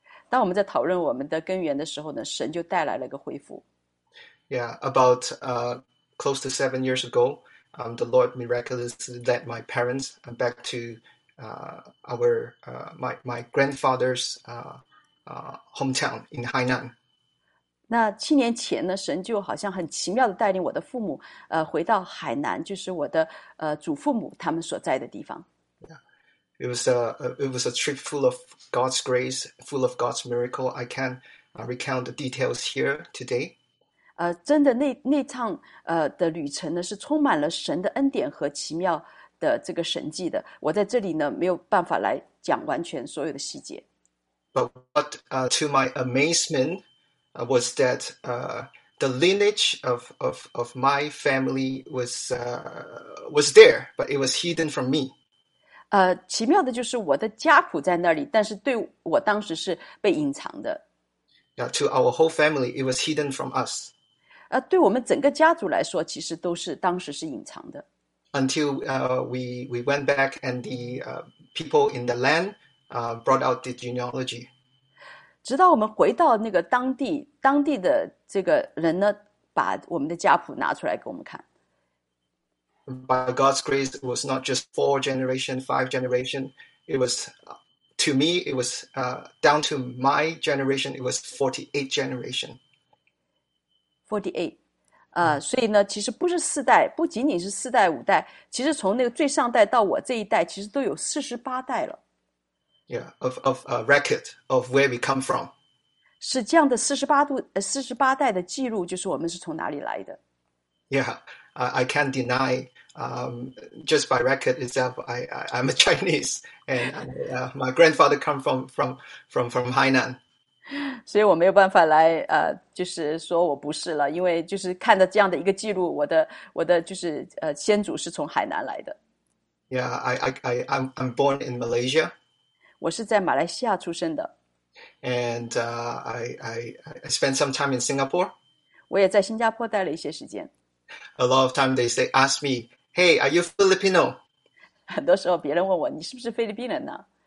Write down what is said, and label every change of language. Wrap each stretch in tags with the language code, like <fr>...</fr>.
<zh>当我们在讨论我们的根源的时候呢，神就带来了一个恢复。</zh> <en>Yeah, about close to 7 years ago, the Lord miraculously led my parents back to my grandfather's hometown in Hainan.</en> <zh>那七年前呢，神就好像很奇妙的带领我的父母，回到海南，就是我的祖父母他们所在的地方。</zh> <en>Yeah. It was a trip full of God's grace, full of God's miracle. I can recount the details here today.</en> <zh>真的那趟的旅程呢，是充满了神的恩典和奇妙的这个神迹的。我在这里呢，没有办法来讲完全所有的细节。</zh> <en>But to my amazement. Was that the lineage of my family was there, but it was hidden from me.</en> <zh>奇妙的就是我的家谱在那里，但是对我当时是被隐藏的。</zh> <en>Yeah, to our whole family, it was hidden from us.</en> <zh>对我们整个家族来说，其实都是当时是隐藏的。</zh> <en>Until we went back and the people in the land brought out the genealogy.</en> <zh>直到我们回到那个当地的这个人呢，把我们的家谱拿出来给我们看。</zh> <en>By God's grace, it was not just four generation, five generation. It was to me, it was down to my generation. It was 48 generation.</en> <zh>48，所以呢，其实不是四代，不仅仅是四代五代，其实从那个最上代到我这一代，其实都有48代了。</zh> <en>Yeah, of a record of where we come from.</en> <zh>是这样的48代的记录，就是我们是从哪里来的。</zh> <en>Yeah, I can't deny Just by record itself, I'm a Chinese, and my grandfather come from Hainan.</en> <zh>所以我没有办法来，就是说我不是了，因为就是看着这样的一个记录，我的就是先祖是从海南来的。</zh> <en>Yeah, I'm born in Malaysia.</en> <zh>我是在马来西亚出生的。</zh> <en>And I spent some time in Singapore.</en> <zh>我也在新加坡待了一些时间。</zh> <en>A lot of time they say, ask me, hey, are you Filipino?</en> <zh>很多时候别人问我，你是不是菲律宾人呢？</zh>